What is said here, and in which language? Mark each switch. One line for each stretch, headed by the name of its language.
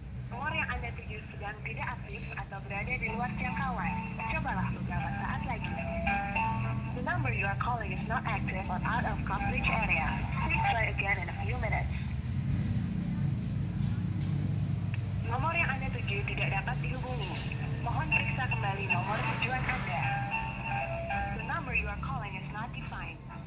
Indonesian: Nomor yang Anda tuju sedang tidak aktif atau berada di luar jangkauan. Cobalah beberapa saat lagi.
English: The number you are calling is not active or out of coverage area. Please try again in a few minutes.
Indonesian: Nomor yang Anda tuju tidak dapat dihubungi. Mohon periksa kembali nomor tujuan Anda.
English: The number you are calling is not defined.